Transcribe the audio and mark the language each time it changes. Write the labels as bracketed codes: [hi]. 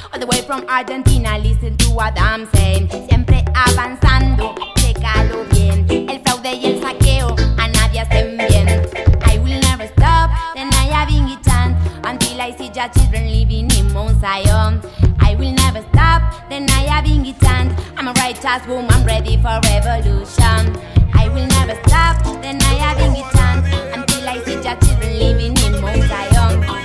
[en] All the way from Argentina, listen to what I'm saying. [es] Siempre avanzando, chécalo bien. El fraude y el saqueo a nadie hacen bien. [en] I will never stop the Naya Bingy Chant until I see your children living in Mount Zion. I will never stop the Naya Bingy Chant. I'm a righteous woman ready for revolution. I will never stop the Naya Bingy Chant until I see your children living in Mount Zion.